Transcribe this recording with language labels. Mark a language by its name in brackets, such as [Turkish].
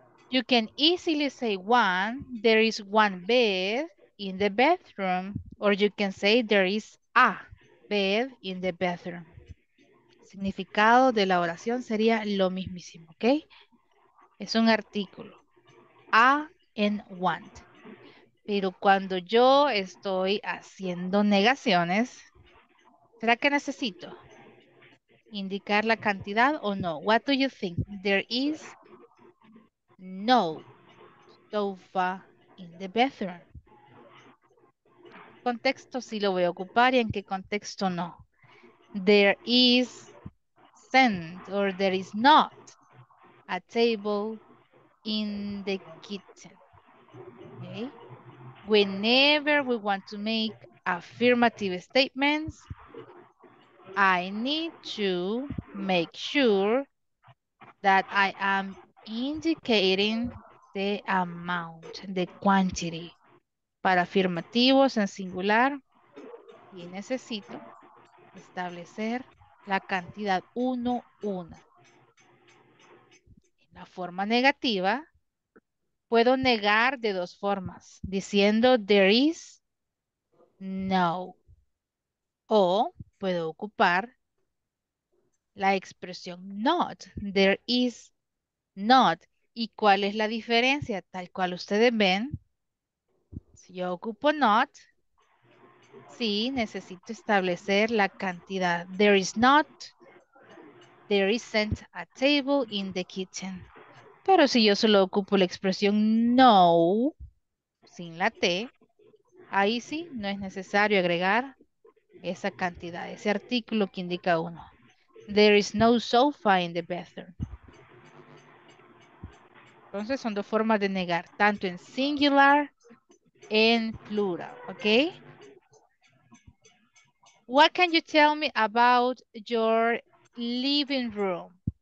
[English] You can easily say one, there is one bed in the bathroom, or you can say there is a bed in the bathroom. [Spanish] Significado de la oración sería lo mismísimo, ¿ok? Es un artículo, a and want. Pero cuando yo estoy haciendo negaciones, ¿será que necesito indicar la cantidad o no? [English] What do you think? There is no sofa in the bathroom. [Spanish] contexto sí lo voy a ocupar y en qué contexto no. [English] There is sent or there is not a table in the kitchen. Okay. Whenever we want to make affirmative statements, I need to make sure that I am indicating the amount, the quantity. [Spanish] Para afirmativos en singular, y necesito establecer la cantidad uno, una. En la forma negativa, puedo negar de dos formas, diciendo there is no. O puedo ocupar la expresión not, there is not. ¿Y cuál es la diferencia? Tal cual ustedes ven, si yo ocupo not, sí, necesito establecer la cantidad. [English] There is not, there isn't a table in the kitchen. [Spanish] Pero si yo solo ocupo la expresión no, sin la T, ahí sí, no es necesario agregar esa cantidad, ese artículo que indica uno. There is no sofa in the bathroom. Entonces son dos formas de negar, tanto en singular, en plural, ¿ok? [English] What can you tell me about your living room?